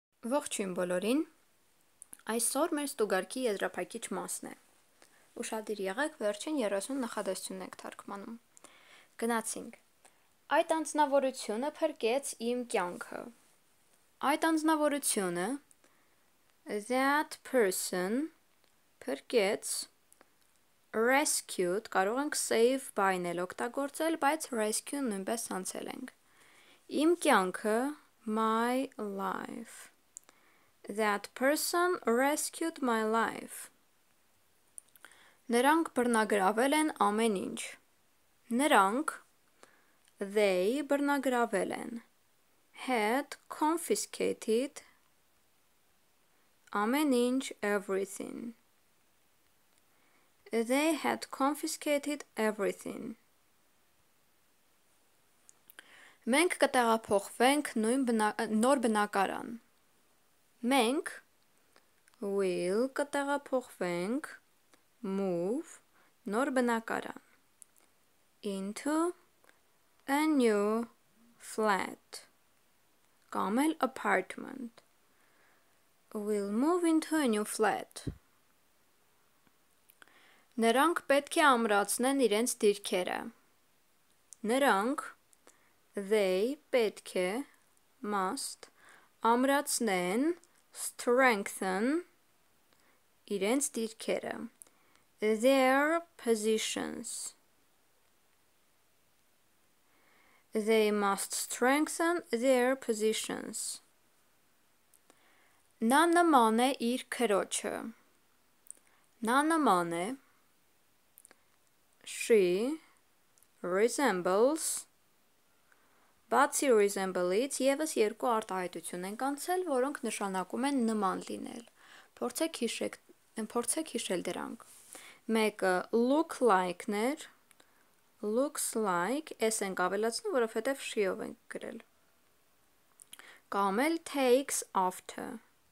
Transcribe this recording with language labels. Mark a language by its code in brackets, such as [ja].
[hy] Ողջույն բոլորին, այսօր մեր ստուգարկի եզրափակիչ մասն է։ Ուշադիր եղեք, վերջին 30 նախադասություն ենք թարգմանում։ Գնացինք։ Այդ անձնավորությունը փրկեց իմ կյանքը։ Այդ անձնավորությունը, [en] that person, [hy] փրկեց, rescued, կարող ենք save բայնել օգտագործել, բայց rescue նույնպես անցել ենք։ Իմ կյանքը, [en] my life. That person rescued my life. [hy] Նրանք բռնագրավել են ամեն ինչ. Նրանք, they, բռնագրավել են. [en] Had confiscated [hy] ամեն ինչ, [en] everything. They had confiscated everything. [hy] Մենք կտեղափոխվենք նոր բնակարան։ Մենք will կտեղափոխվենք move նոր բնակարան [en] into a new flat [hy] կամ էլ apartment. [en] Will move into a new flat. [hy] Նրանք պետք է ամրացնեն իրենց դիրքերը։ Նրանք they պետք է must ամրացնեն strengthen իրենց դիրքերը, [en] their positions. They must strengthen their positions. [hy] Նա նման է իր քրոջը. Նա նման է, [en] she resembles, [hy] բացի resemble-ից ևս երկու արտահայտություն ենք անցել, որոնք նշանակում են նման լինել։ Փորձեք հիշել դրանք։ Մեկը [en] look like- [hy] ներ, [en] looks like, [hy] ես ենք ավելացնում, որովհետև she-ով ենք գրել։ Կամ էլ [en] takes after,